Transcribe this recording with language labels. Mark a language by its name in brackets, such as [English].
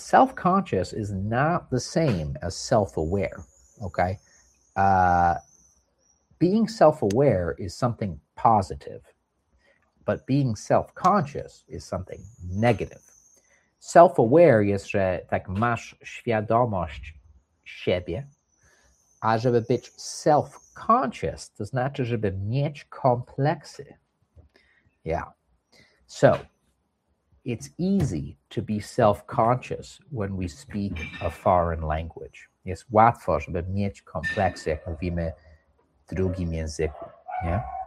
[English] Self-conscious is not the same as self-aware. Okay. Being self-aware is something positive, but being self-conscious is something negative. [Polish] Self-aware jest, że tak masz świadomość siebie, a żeby być self-conscious, to znaczy, żeby mieć kompleksy. [English] Yeah. So, it's easy to be self-conscious when we speak a foreign language. [Polish] Jest łatwo, żeby mieć kompleksy, jak mówimy w drugim języku, nie?